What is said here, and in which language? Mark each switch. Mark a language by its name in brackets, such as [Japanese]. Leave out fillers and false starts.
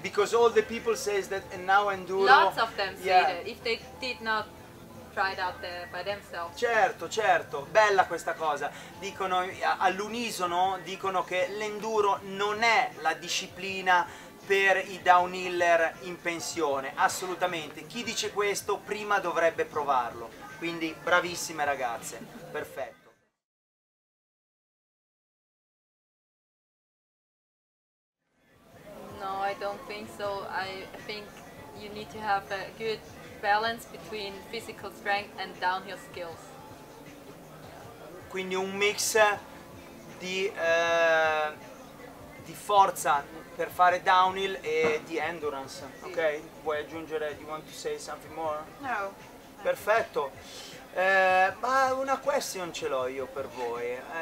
[English] Because all the people says that and now enduro. Lots of them say that if they did not try it out by themselves. [Italian] Certo. Bella questa cosa. Dicono all'unisono dicono che l'enduro non è la disciplina per i downhiller in pensione, assolutamente. Chi dice questo prima dovrebbe provarlo. Quindi bravissime ragazze, perfetto. [English] No, I don't think so. I think you need to have a good balance between physical strength and downhill skills. [Italian] Quindi un mix di forza per fare downhill e di endurance, ok? Vuoi aggiungere, [English] do you want to say something more? No. [Italian] Perfetto. Ma una question ce l'ho io per voi.